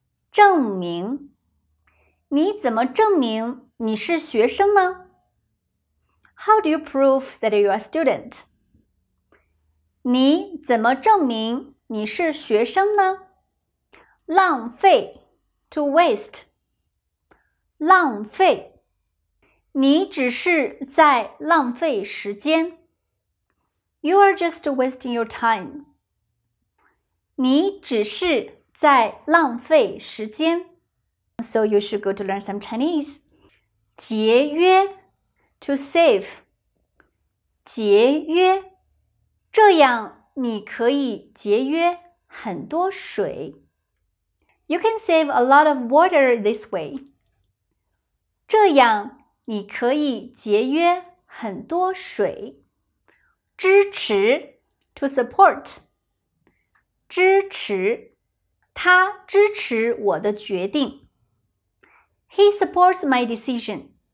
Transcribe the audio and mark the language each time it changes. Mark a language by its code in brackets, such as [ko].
[zh] 证明你怎么证明你是学生呢? [en] How do you prove that you are a student? [zh] 你怎么证明你是学生呢? [en] 浪费 to waste. [zh] 浪费你只是在浪费时间。 [en] You are just wasting your time. [zh] 你只是在浪费时间。 [en] So you should go to learn some Chinese. [zh] 节约 [en] to save. [zh] 节约这样你可以节约很多水。 [en] You can save a lot of water this way. [zh] 这样你可以节约很多水。支持 [en] to support. [zh] 支持他支持我的决定。 [en] He supports my decision.